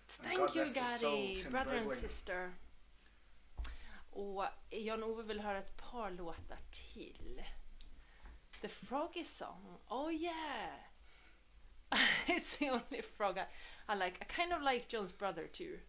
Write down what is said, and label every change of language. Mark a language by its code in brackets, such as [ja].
[en] Thank you Gary, brother and sister. [sv] Och Jan-Ove vill höra ett par låtar till. [en] The Froggy Song. Oh yeah. It's the only frog I like. I kind of like John's brother too.